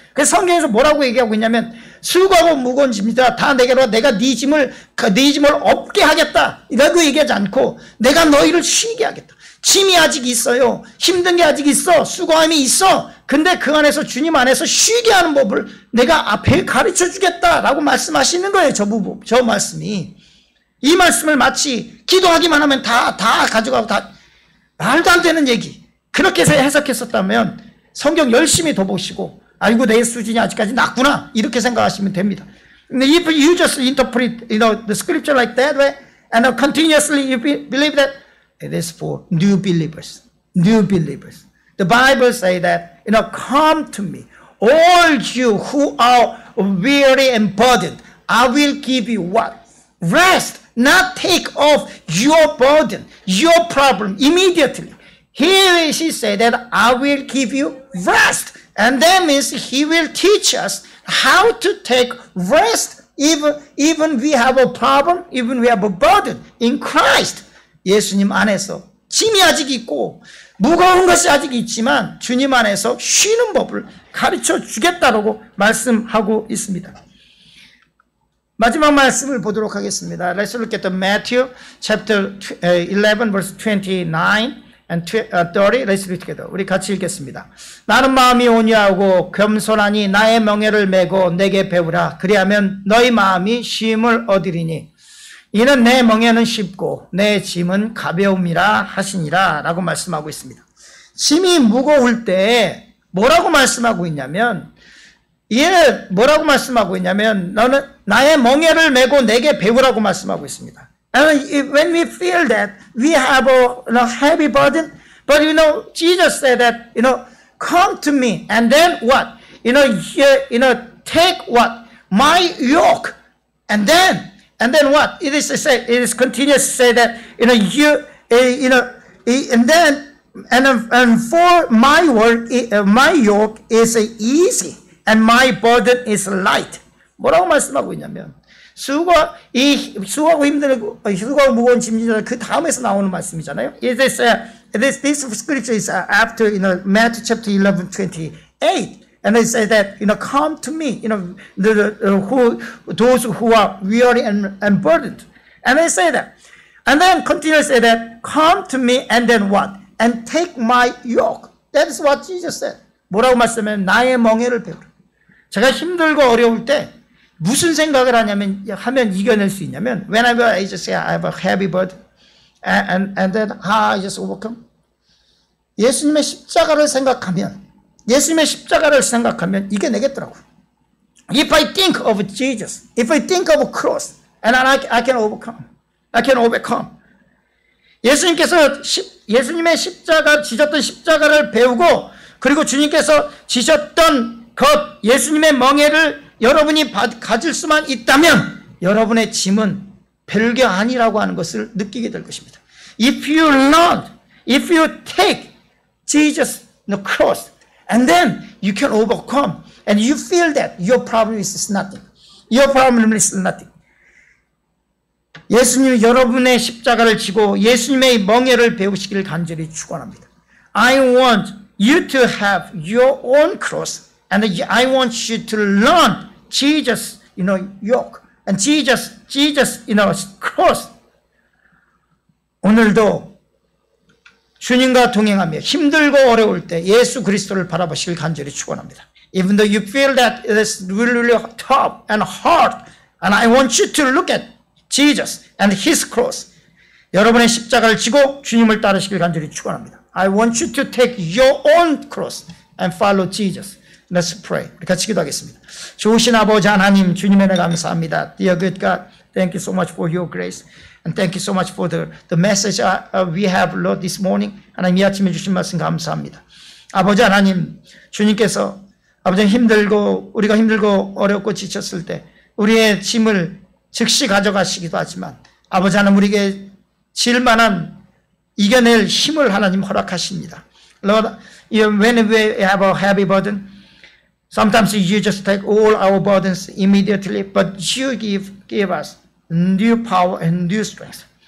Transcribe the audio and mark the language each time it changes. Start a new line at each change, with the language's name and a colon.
Korean: 그 성경에서 뭐라고 얘기하고 있냐면 수고하고 무거운 짐이다 다 내게로 내가 네 짐을 없게 하겠다 이라고 얘기하지 않고 내가 너희를 쉬게 하겠다 짐이 아직 있어요 힘든 게 아직 있어 수고함이 있어 근데 그 안에서 주님 안에서 쉬게 하는 법을 내가 앞에 가르쳐 주겠다라고 말씀하시는 거예요 저 말씀이 이 말씀을 마치 기도하기만 하면 다 가져가고 다 말도 안 되는 얘기 그렇게 해석했었다면 성경 열심히 더 보시고 아이고 내 수준이 아직까지 낮구나 이렇게 생각하시면 됩니다.
English: If you just interpret, you know, the scripture like that way, and continuously you believe that, it is for new believers. New believers. The Bible say that, you know, come to me, all you who are weary and burdened, I will give you what? Rest. Not take off your burden, your problem immediately. Here she said that I will give you rest. And that means he will teach us how to take rest even we have a problem, even we have a burden in Christ.
Korean: 예수님 안에서 짐이 아직 있고 무거운 것이 아직 있지만 주님 안에서 쉬는 법을 가르쳐 주겠다라고 말씀하고 있습니다. 마지막 말씀을 보도록 하겠습니다.
English: Let's look at the Matthew chapter 11 verse 29. And 30, let's read together.
Korean: 우리 같이 읽겠습니다. 나는 마음이 온유하고 겸손하니 나의 명예를 메고 내게 배우라. 그리하면 너희 마음이 쉼을 얻으리니. 이는 내 명예는 쉽고 내 짐은 가벼움이라 하시니라. 라고 말씀하고 있습니다. 짐이 무거울 때 뭐라고 말씀하고 있냐면, 이는 뭐라고 말씀하고 있냐면, 너는 나의 명예를 메고 내게 배우라고 말씀하고 있습니다.
English: And when we feel that we have a you know, heavy burden, but you know, Jesus said that, you know, come to me and then what? You know, take what? My yoke. And then what? It is continuous to say that, you know, you, you know, and then And for my work, my yoke is easy, and my burden is light.
Korean: 뭐라고 말씀하고 있냐면, 수고하고 힘들고 수고하고 무거운 짐진자 그 다음에서 나오는 말씀이잖아요.
English: It is, this scripture is after you know Matthew chapter 11:28, and they say that you know come to me, you know those who are weary and burdened, and they say that, and then continue to say that come to me and then what? And take my yoke. That is what Jesus said.
Korean: 뭐라고 말씀하면 나의 멍에를 배우라. 제가 힘들고 어려울 때 무슨 생각을 하냐면 하면 이겨낼 수 있냐면
English: whenever I just say I have a heavy burden and then I just overcome.
Korean: 예수님의 십자가를 생각하면 이겨내겠더라고.
English: If I think of Jesus, if I think of a cross, and I can overcome.
Korean: 예수님께서 예수님의 십자가 지셨던 십자가를 배우고 그리고 주님께서 지셨던 것 예수님의 멍에를 여러분이 가질 수만 있다면 여러분의 짐은 별게 아니라고 하는 것을 느끼게 될 것입니다.
English: If you learn, if you take Jesus the cross, and then you can overcome, and you feel that your problem is nothing. Your problem is nothing.
Korean: 예수님 여러분의 십자가를 지고 예수님의 멍에를 배우시기를 간절히 축원합니다.
English: I want you to have your own cross and I want you to learn Jesus, you know, yoke and Jesus, you know, cross.
Korean: 오늘도 주님과 동행하며 힘들고 어려울 때 예수 그리스도를 바라보시길 간절히 축원합니다.
English: Even though you feel that it is really, really tough and hard and I want you to look at Jesus and His cross.
Korean: 여러분의 십자가를 지고 주님을 따르시길 간절히 축원합니다.
English: I want you to take your own cross and follow Jesus. Let's pray.
Korean: 우리 같이 기도하겠습니다. 좋으신 아버지 하나님, 주님의 내 감사합니다.
English: Dear good God, thank you so much for your grace. And thank you so much for the message we have learned this morning.
Korean: 하나님, 이 아침에 주신 말씀 감사합니다. 아버지 하나님, 주님께서 아버지 힘들고 우리가 힘들고 어렵고 지쳤을 때 우리의 짐을 즉시 가져가시기도 하지만 아버지 하나님 우리에게 질만한 이겨낼 힘을 하나님 허락하십니다.
English: Lord, when we have a heavy burden, sometimes you just take all our burdens immediately, but you give us new power and new strength.